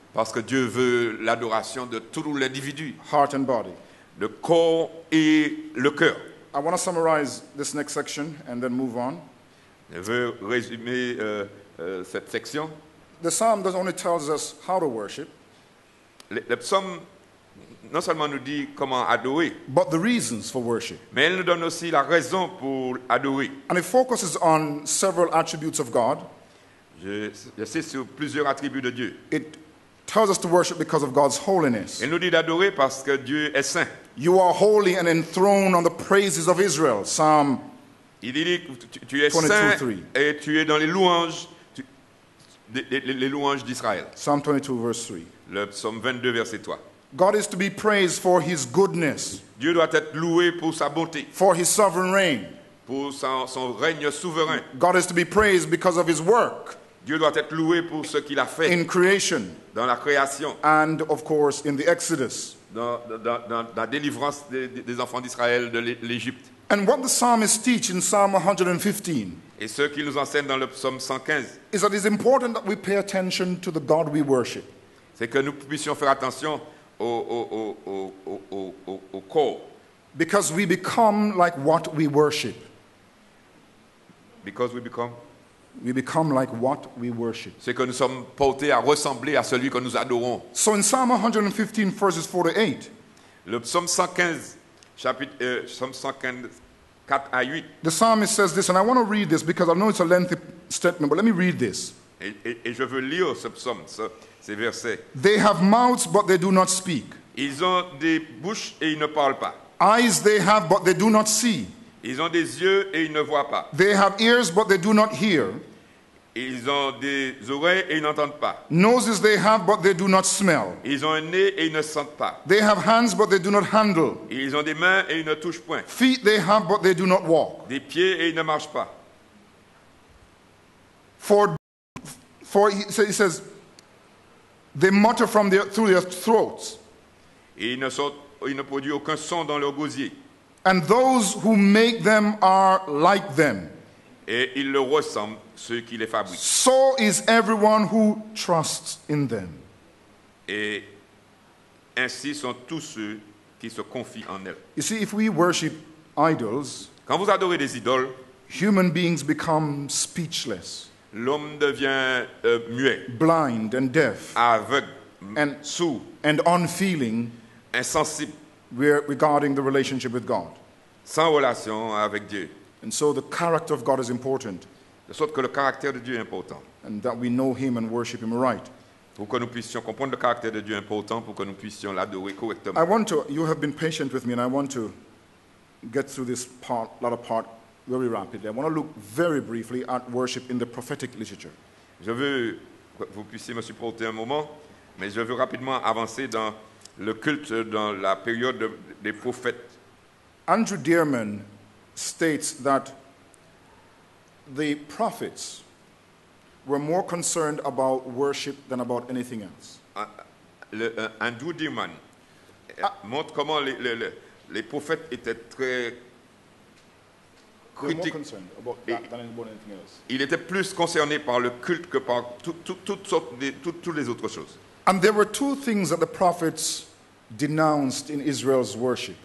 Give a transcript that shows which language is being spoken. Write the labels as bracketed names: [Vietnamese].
[French] Parce que Dieu veut l'adoration de tout l'individu. [English] Heart and body. [French] Le corps et le cœur. [English] I want to summarize this next section and then move on. [French] Je veux résumer cette section. [English] The psalm doesn't only tells us how to worship. [French] Le psaume non seulement nous dit comment adorer, [English] but the reasons for worship. [French] Mais elle nous donne aussi la raison pour adorer. [English] And it focuses on several attributes of God. [French] Je sais sur plusieurs attributs de Dieu. [English] It tells us to worship because of God's holiness. [French] Il nous dit d'adorer parce que Dieu est saint. [English] You are holy and enthroned on the praises of Israel. Psalm 22:3. [French] Et tu es dans les louanges, les louanges d'Israël. [English] Psalm 22 verse 3. [French] Le psaume 22 verset 3. [English] God is to be praised for his goodness. [French] Dieu doit être loué pour sa bonté. [English] For his sovereign reign. [French] Pour son règne souverain. [English] God is to be praised because of his work. [French] Dieu doit être loué pour ce qu'il a fait. [English] In creation. [French] Dans la création. [English] And of course in the Exodus. [French] Dans la délivrance des enfants d'Israël de l'Égypte. [English] And what the psalmist teaches in Psalm 115. [French] Et ce qu'il nous enseigne dans le psaume 115. [English] Is that it's important that we pay attention to the God we worship. [French] C'est que nous puissions faire attention au corps. [English] Because we become like what we worship. Because we become. We become like what we worship. [French] C'est que nous sommes portés à ressembler à celui que nous adorons. [English] So in Psalm 115, verses 4 to 8. [French] Le psaume 115, psaume 115, 4 à 8. [English] The psalmist says this, and I want to read this because I know it's a lengthy statement, but let me read this. [French] Et je veux lire ce psaume, ces versets. [English] They have mouths, but they do not speak. [French] Ils ont des bouches et ils ne parlent pas. [English] Eyes they have, but they do not see. [French] Ils ont des yeux et ils ne voient pas. [English] They have ears but they do not hear. [French] Ils ont des oreilles et ils n'entendent pas. [English] Noses they have but they do not smell. [French] Ils ont un nez et ils ne sentent pas. [English] They have hands but they do not handle. [French] Ils ont des mains et ils ne touchent point. [English] Feet they have but they do not walk. [French] Des pieds et ils ne marchent pas. [English] For he says they mutter from through their throats. [French] Et ils ne produisent aucun son dans leur gosier. [English] And those who make them are like them. [French] Et ils le ressemblent, ceux qui les fabriquent. [English] So is everyone who trusts in them. [French] Et ainsi sont tous ceux qui se confient en elles. [English] You see, if we worship idols, [French] quand vous adorez des idoles, [English] human beings become speechless. [French] L'homme devient muet. [English] Blind and deaf. [French] Aveugle. [English] And [French] sourd. [English] And unfeeling. [French] Insensible. [English] We're regarding the relationship with God. [French] Sans relation avec Dieu. [English] And so the character of God is important. [French] De sorte que le caractère de Dieu est important. [English] And that we know him and worship him right. [French] Pour que nous puissions comprendre le caractère de Dieu important, pour que nous puissions l'adorer correctement. [English] I want to, you have been patient with me, and I want to get through this part, lot of part, very rapidly. I want to look very briefly at worship in the prophetic literature. [French] Je veux que vous puissiez me supporter un moment, mais je veux rapidement avancer dans le culte dans la période des prophètes. [English] Andrew Dearman states that the prophets were more concerned about worship than about anything else. [French] Andrew Dearman montre comment les prophètes étaient très critiques. [English] They were more concerned about that than anything else. [French] Il était plus concerné par le culte que par toutes les autres choses. [English] And there were two things that the prophets denounced in Israel's worship.